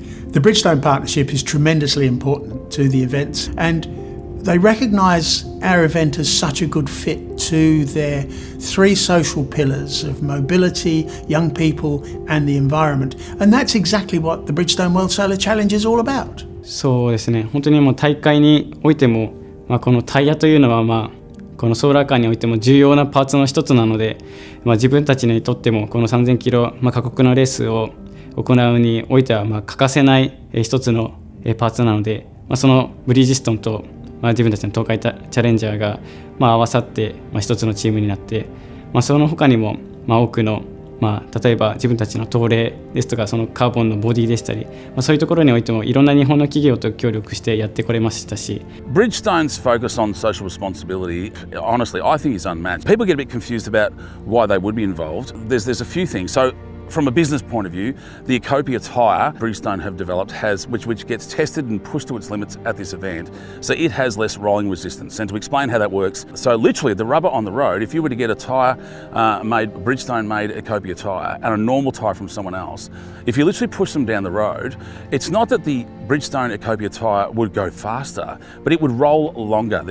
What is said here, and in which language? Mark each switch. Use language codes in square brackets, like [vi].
[en] The Bridgestone partnership is tremendously important to the events, and they recognise our event as such a good fit to their three social pillars of mobility, young people, and the environment. And that's exactly what the Bridgestone World Solar Challenge is all about. [ja] そうですね。本当にもう大会においても、このタイヤというのは、このソーラーカーにおいても重要なパーツの一つなので、自分たちにとってもこの3000キロ、過酷なレースを行うにおいては、欠かせない一つのパーツなので、そのブリヂストンと自分たちの東海チャレンジャーが合わさって一つのチームになって、その他にも多くのまあ、例えば自分たちの陶冷ですとかそのカーボンのボディでしたり、まあ、そういうところにおいてもいろんな日本の企業と協力してやってこれましたし [en] Bridgestone's focus on social responsibility honestly I think is unmatched. People get a bit confused about why they would be involved. There's a few things. So from a business point of view, the Ecopia tire Bridgestone have developed has which gets tested and pushed to its limits at this event. So it has less rolling resistance. And to explain how that works, so literally the rubber on the road, if you were to get a tire made Bridgestone made Ecopia tire and a normal tire from someone else, if you literally push them down the road, it's not that the Bridgestone Ecopia tire would go faster, but it would roll longer.